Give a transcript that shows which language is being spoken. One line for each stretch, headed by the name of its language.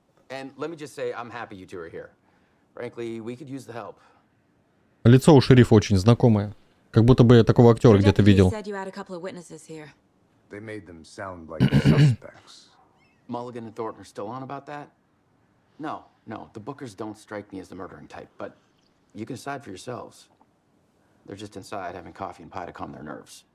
English: And let me just say, I'm happy you two are here. Frankly, we could use the help.
Russian: Лицо у шерифа очень знакомое. Как будто бы я такого актера где-то видел.
English: They made them sound like suspects. Mulligan and Thornton are still on about that? No, no, the Bookers don't strike me as the murdering type, but you can decide for yourselves. They're just inside having coffee and pie to calm their nerves.